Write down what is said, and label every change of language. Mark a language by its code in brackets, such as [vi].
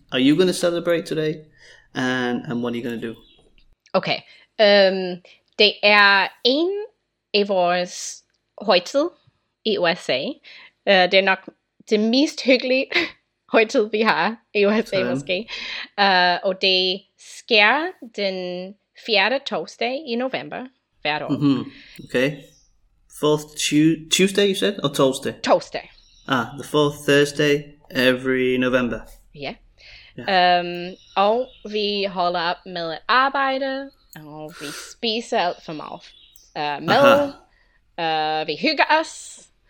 [en] Are you going to celebrate today? And what are you going to do? [da] Okay, det er en af vores højtid i USA. Det er nok det mest hyggelige højtid, vi har i USA, måske. Og det sker den 4. torsdag i november hvert år. Mm-hmm. Okay. [en] Fourth Tuesday, you said, or torsdag? [da] Torsdag. [en] Ah, the fourth Thursday every november. [da] Ja. Yeah. Og vi holder op med at arbejde, og vi spiser alt for meget mad. Vi hygger os.